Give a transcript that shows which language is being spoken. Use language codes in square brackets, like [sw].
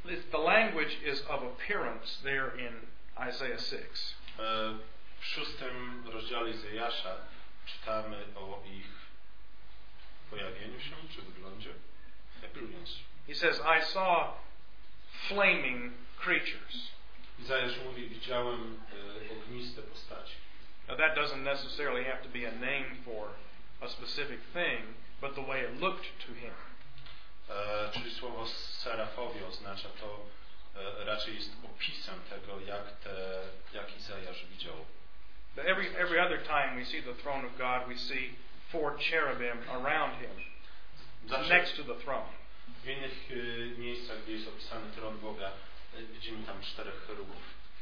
[en] The language is of appearance there in Isaiah 6. [pl] W szóstym rozdziale Izajasza czytamy o ich pojawieniu się czy wyglądzie. [en] Appearance. He says, I saw flaming creatures. [pl] Izajasz mówi, widziałem ogniste postaci. [en] Now that doesn't necessarily have to be a name for a specific thing, but the way it looked to him. [pl] Czyli słowo serafowie oznacza to, raczej jest opisem tego, jak Izajasz widział. [en] Every other time we see the throne of God, we see four cherubim around him, [pl] zawsze [en] next to the throne. [pl] W innych miejscach, gdzie jest opisany tron Boga, widzimy tam czterech cherubów.